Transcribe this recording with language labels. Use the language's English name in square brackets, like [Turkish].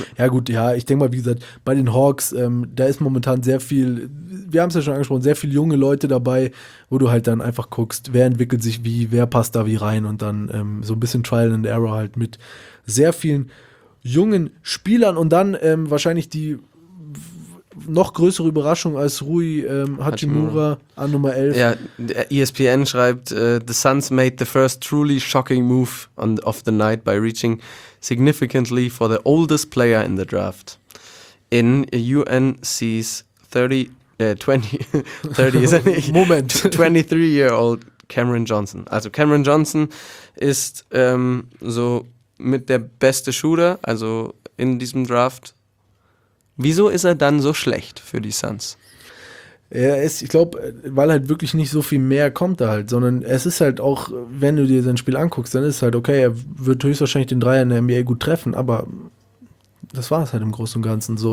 [German] Ja gut, ja, ich denke mal, wie gesagt, bei den Hawks, da ist momentan sehr viel, wir haben es ja schon angesprochen, sehr viele junge Leute dabei, wo du halt dann einfach guckst, wer entwickelt sich wie, wer passt da wie rein und dann so ein bisschen Trial and Error halt mit sehr vielen jungen Spielern und dann wahrscheinlich die noch größere Überraschung als Rui Hachimura an Nummer 11. Ja, ESPN schreibt, [English] the Suns made the first truly shocking move of the night by reaching significantly for the oldest player in the draft. In UNC's 23-year-old Cameron Johnson. [German] Also Cameron Johnson ist so mit der beste Shooter, also in diesem Draft. Wieso ist er dann so schlecht für die Suns? Er ist, ich glaube, weil halt wirklich nicht so viel mehr kommt da halt, sondern es ist halt auch, wenn du dir sein Spiel anguckst, dann ist es halt okay, er wird höchstwahrscheinlich den Dreier in der NBA gut treffen, aber das war es halt im Großen und Ganzen so.